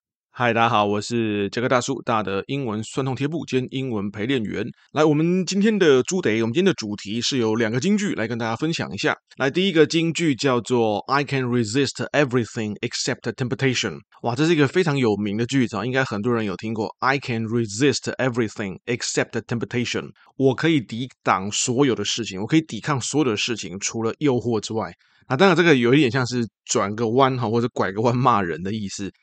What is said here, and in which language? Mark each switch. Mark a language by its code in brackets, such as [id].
[zh] 嗨，大家好，我是杰克大叔，大的英文酸痛贴布兼英文陪练员。来，我们今天的主题，是有两个金句来跟大家分享一下。来，第一个金句叫做 [en] I can resist everything except temptation。 [zh] 哇，这是一个非常有名的句子，应该很多人有听过。 [en] I can resist everything except temptation， [zh] 我可以抵挡所有的事情，我可以抵抗所有的事情除了诱惑之外。那当然这个有一点像是转个弯或者拐个弯骂人的意思。